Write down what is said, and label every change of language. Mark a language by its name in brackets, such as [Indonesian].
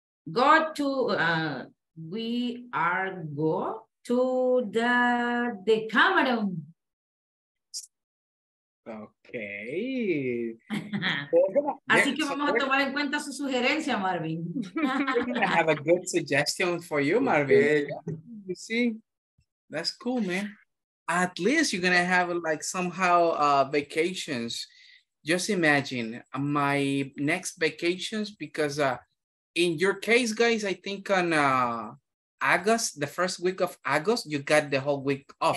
[English] Go to we are go to the Cameroon. Okay. [Spanish] Así que vamos a tomar en cuenta su sugerencia, Marvin. [English] We're gonna have a good suggestion for you, Marvin. You see, that's cool, man. At least you're gonna have like somehow vacations. Just imagine my next vacations, because in your case, guys, I think on August, the first week of August, you got the whole week off,